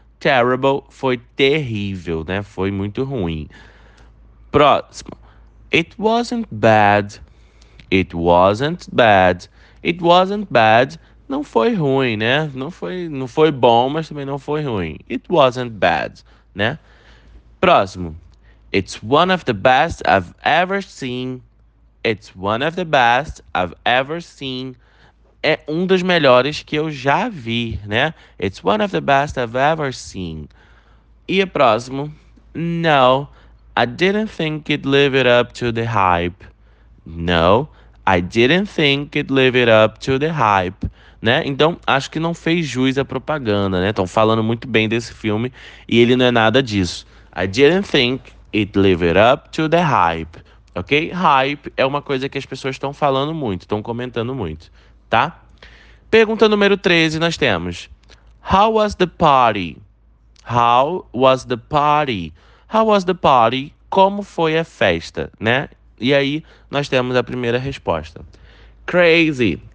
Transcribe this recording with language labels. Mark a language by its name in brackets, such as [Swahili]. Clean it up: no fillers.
[Portuguese] Terrible foi terrível, né? Foi muito ruim. Próximo. [English] It wasn't bad. It wasn't bad. It wasn't bad. [Portuguese] Não foi ruim, né? Não foi bom, mas também não foi ruim. [English] It wasn't bad, né? [Portuguese] Próximo. [English] It's one of the best I've ever seen. It's one of the best I've ever seen. [Portuguese] É um dos melhores que eu já vi, né? [English] It's one of the best I've ever seen. [Portuguese] E o próximo? [English] No, I didn't think it'd live it up to the hype. No, I didn't think it'd live it up to the hype. Né? [Portuguese] Então, acho que não fez jus à propaganda, né? Estão falando muito bem desse filme e ele não é nada disso. [English] I didn't think it'd live it up to the hype. Ok? [Portuguese] Hype é uma coisa que as pessoas estão falando muito, estão comentando muito. Tá? Pergunta número 13, nós temos. [English] How was the party? How was the party? How was the party? [Portuguese] Como foi a festa, né? E aí nós temos a primeira resposta. Crazy.